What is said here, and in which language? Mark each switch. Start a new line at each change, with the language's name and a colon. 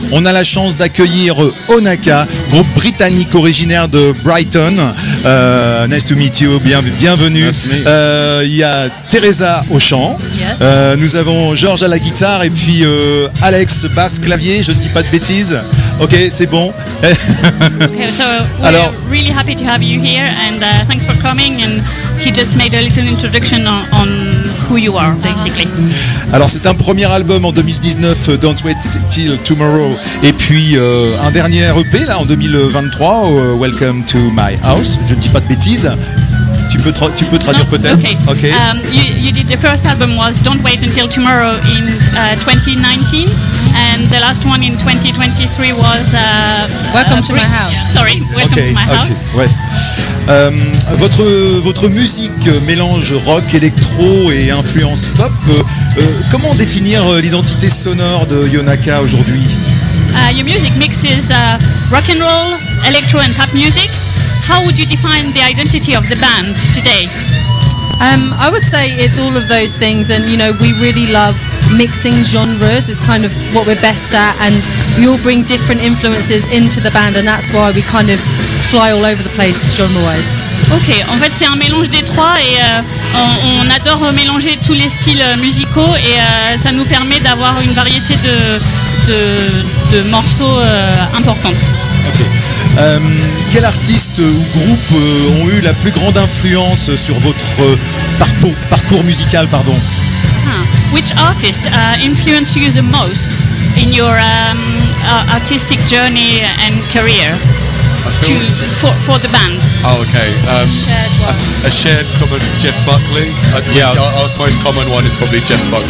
French: On a la chance d'accueillir Onaka, groupe britannique originaire de Brighton.
English: Nice to meet you,
French: bienvenue. Il y a Teresa au chant.
English: Yes.
French: Nous avons Georges à la guitare et puis Alex basse clavier. Je ne dis pas de bêtises. Ok, c'est bon.
English: Alors, really happy to have you here and thanks for coming. And he just made a little introduction on who you are, basically.
French: Alors, c'est un premier album en 2019, Don't Wait Till Tomorrow, et puis un dernier EP là en 2023, Welcome to My House. Je ne dis pas de bêtises. Tu peux traduire peut-être. Okay.
English: You did the first album was Don't Wait Until Tomorrow in 2019. And the last one in 2023 was Welcome to My House. Sorry, Welcome to My House. Okay. Ouais.
French: Votre musique mélange rock, électro et influence pop. Comment définir l'identité sonore de Onaka aujourd'hui?
English: Your music mixes rock and roll, electro and pop music. How would you define the identity of the band today? I would say it's all of those things, and you know, we really love mixing genres. It's kind of what we're best at, and we all bring different influences into the band, and that's why we kind of fly all over the place genre-wise.
French: Ok, en fait c'est un mélange des trois et on adore mélanger tous les styles musicaux et ça nous permet d'avoir une variété de morceaux importantes. Ok. Quel artiste ou groupe ont eu la plus grande influence sur votre parcours musical, pardon?
English: Which artist influenced you the most in your artistic journey and career for the band? Oh, okay. A shared common, Jeff Buckley. Our most common one is probably Jeff Buckley.